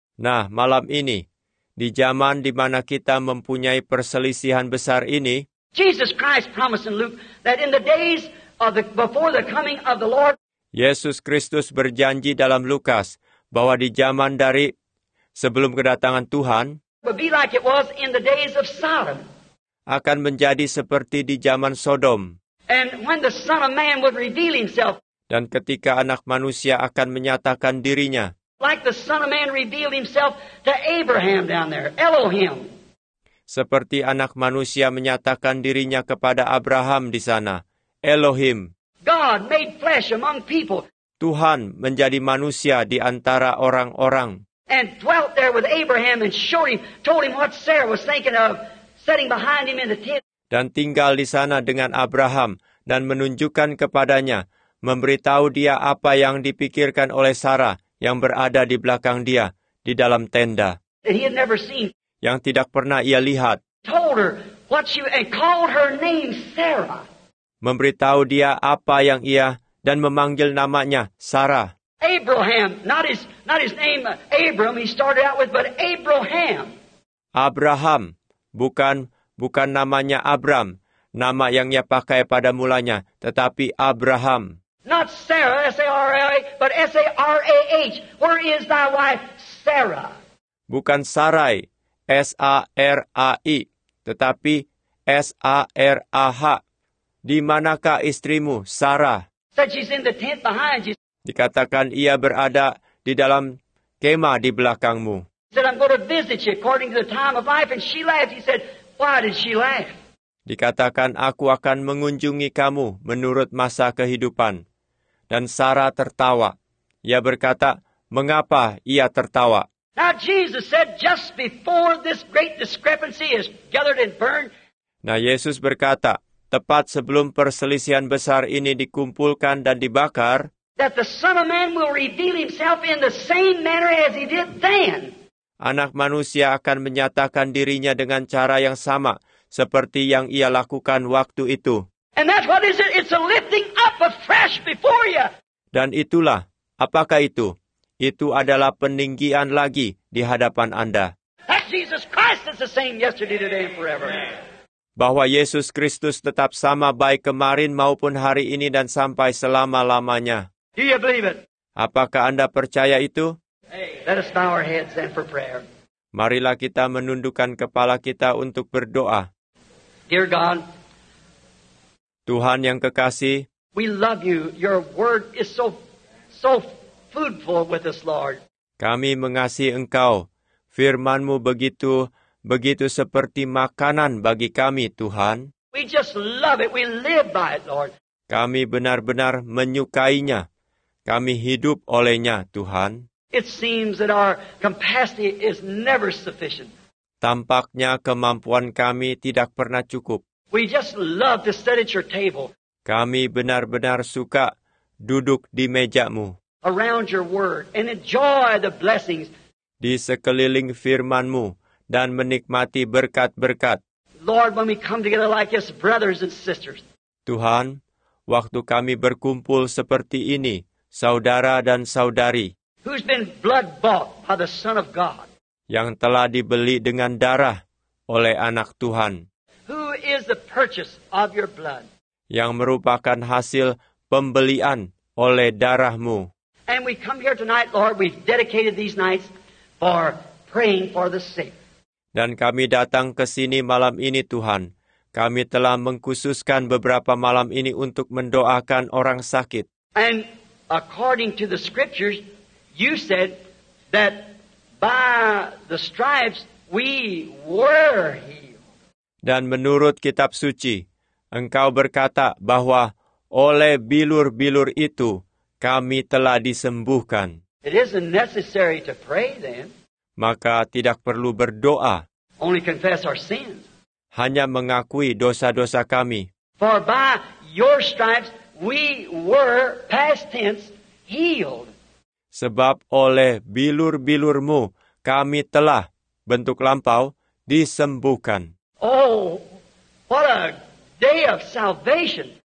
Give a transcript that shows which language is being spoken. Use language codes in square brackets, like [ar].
[id] Nah, malam ini, di zaman di mana kita mempunyai perselisihan besar ini, [en] Jesus Christ promised in Luke that in the days before the coming of the Lord, [id] Yesus Kristus berjanji dalam Lukas bahwa di zaman dari sebelum kedatangan Tuhan, [en] would be like it was in the days of Sodom, [id] akan menjadi seperti di zaman Sodom. [en] And when the Son of Man would reveal himself, [id] dan ketika anak manusia akan menyatakan dirinya, [en] like the Son of Man revealed himself to Abraham down there, Elohim. [id] Seperti anak manusia menyatakan dirinya kepada Abraham di sana, Elohim. [en] God made flesh among people. [id] Tuhan menjadi manusia di antara orang-orang. [en] And dwelt there with Abraham and showed him, told him what Sarah was thinking of, sitting behind him in the tent. [id] Dan tinggal di sana dengan Abraham dan menunjukkan kepadanya, memberitahu dia apa yang dipikirkan oleh Sarah yang berada di belakang dia, di dalam tenda. [en] And he had never seen. [id] Yang tidak pernah ia lihat. [en] Told her what she, and called her name Sarah. [id] Memberitahu dia apa yang ia, dan memanggil namanya Sarah. [en] Abraham, not his name Abram, he started out with, but Abraham. [id] Abraham, bukan namanya Abram, nama yang ia pakai pada mulanya, tetapi Abraham. [en] Not Sarah, S-A-R-A-H, but S-A-R-A-H. Where is thy wife, Sarah? [id] Bukan Sarai, S-A-R-A-I, tetapi S-A-R-A-H. Di manakah istrimu, Sarah? [en] Said she's in the tent behind you. [id] Dikatakan ia berada di dalam kemah di belakangmu. [en] Said I'm going to visit you according to the time of life, and she laughed. He said, why did she laugh? [id] Dikatakan aku akan mengunjungi kamu menurut masa kehidupan. Dan Sarah tertawa. Ia berkata, mengapa ia tertawa? [en] Now Jesus said, just before this great discrepancy is gathered and burned. [id] Nah, Yesus berkata, tepat sebelum perselisihan besar ini dikumpulkan dan dibakar, [en] that the Son of Man will reveal himself in the same manner as he did then. [id] Anak manusia akan menyatakan dirinya dengan cara yang sama seperti yang ia lakukan waktu itu. [en] And that's what is it? It's a lifting up afresh before you. [id] Dan itulah, apakah itu? Itu adalah peninggian lagi di hadapan Anda. [en] That Jesus Christ is the same yesterday, today, and forever. [id] Bahwa Yesus Kristus tetap sama baik kemarin maupun hari ini dan sampai selama-lamanya. [en] Do you believe it? [id] Apakah Anda percaya itu? [en] Let us bow our heads then for prayer. [id] Marilah kita menundukkan kepala kita untuk berdoa. [en] Dear God, [id] Tuhan yang kekasih, [en] we love you. Your word is so foodful with us, Lord. [id] Kami mengasihi Engkau. Firman-Mu begitu seperti makanan bagi kami, Tuhan. [en] We just love it. We live by it, Lord. [id] Kami benar-benar menyukainya. Kami hidup olehnya, Tuhan. [en] It seems that our capacity is never sufficient. [id] Tampaknya kemampuan kami tidak pernah cukup. [en] We just love to sit at your table. [id] Kami benar-benar suka duduk di meja-Mu. [en] Around your word and enjoy the blessings. [id] Di sekeliling firman-Mu dan menikmati berkat-berkat. [en] Lord, when we come together like this, brothers and sisters. [id] Tuhan, waktu kami berkumpul seperti ini, saudara dan saudari. [en] Who's been blood bought by the Son of God? [id] Yang telah dibeli dengan darah oleh Anak Tuhan. [en] Who is the purchase of your blood? [id] Yang merupakan hasil pembelian oleh darah-Mu. [en] And we come here tonight, Lord, we've dedicated these nights for praying for the sick. [id] Dan kami datang ke sini malam ini, Tuhan. Kami telah mengkhususkan beberapa malam ini untuk mendoakan orang sakit. [en] And according to the scriptures, you said that by the stripes we were healed. [id] Dan menurut kitab suci, Engkau berkata bahwa oleh bilur-bilur itu kami telah disembuhkan. [en] It isn't necessary to pray then. [id] Maka tidak perlu berdoa. [en] Only confess our sins. [id] Hanya mengakui dosa-dosa kami. [en] For by your stripes we were, past tense, healed. [id] Sebab oleh bilur-bilur-Mu kami telah, bentuk lampau, disembuhkan. [en] Oh, what a day of salvation.